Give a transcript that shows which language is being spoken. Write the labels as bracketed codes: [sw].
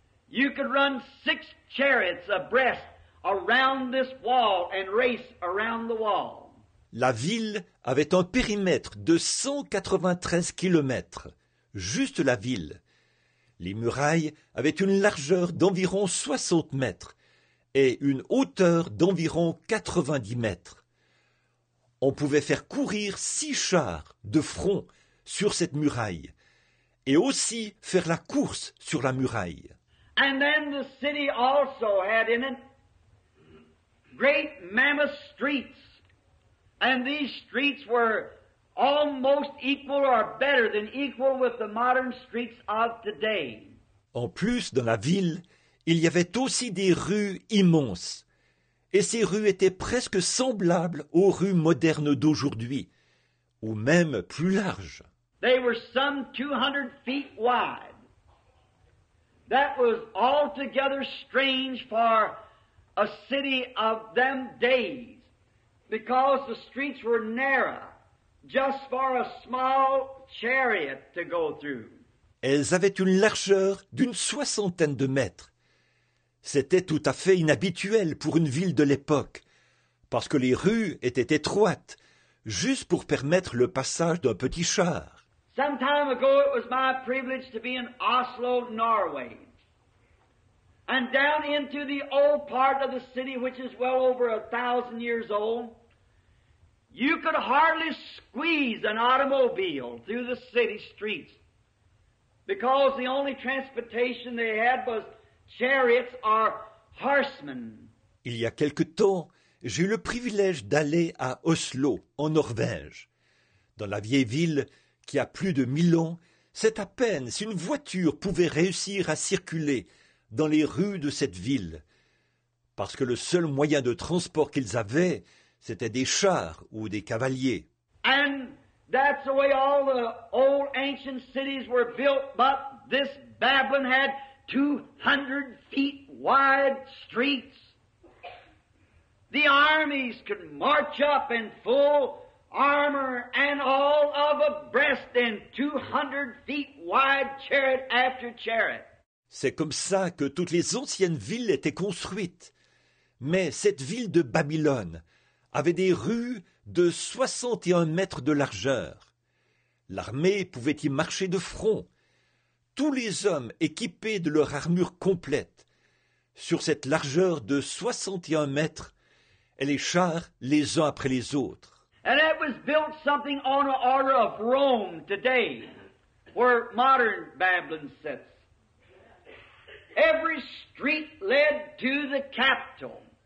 [en] You could run 6 chariots abreast around this wall and race around the wall. [fr] La ville avait un périmètre de 193 kilomètres, juste la ville. Les murailles avaient une largeur d'environ 60 mètres et une hauteur d'environ 90 mètres. On pouvait faire courir 6 chars de front sur cette muraille. Et aussi faire la course sur la muraille. [en] And then the city also had in it great mammoth streets. And these streets were almost equal or better than equal with the modern streets of today. [fr] En plus, dans la ville, il y avait aussi des rues immenses. Et ces rues étaient presque semblables aux rues modernes d'aujourd'hui, ou même plus larges. [en] They were some 200 feet wide. That was altogether strange for a city of them days, because the streets were narrow, just for a small chariot to go through. [fr] Elles avaient une largeur d'une soixantaine de mètres. C'était tout à fait inhabituel pour une ville de l'époque, parce que les rues étaient étroites, juste pour permettre le passage d'un petit char. [en] Some time ago, it was my privilege to be in Oslo, Norway. And down into the old part of the city, which is well over 1,000 years old, you could hardly squeeze an automobile through the city streets because the only transportation they had was chariots or horsemen. [fr] Il y a quelque temps, j'ai eu le privilège d'aller à Oslo, en Norvège. Dans la vieille ville qui a plus de 1000 ans, c'est à peine si une voiture pouvait réussir à circuler dans les rues de cette ville, parce que le seul moyen de transport qu'ils avaient, c'était des chars ou des cavaliers. [en] And that's the way all the old ancient cities were built, but this Babylon had 200 feet wide streets. The armies could march up in full armor and all of abreast in 200 feet wide chariot after chariot. [fr] C'est comme ça que toutes les anciennes villes étaient construites. Mais cette ville de Babylone avait des rues de 61 mètres de largeur. L'armée pouvait y marcher de front. Tous les hommes équipés de leur armure complète. Sur cette largeur de 61 mètres, et les chars les uns après les autres. [en] And it was built something on the order of Rome today, where modern Babylon sits. Every street led to the capital.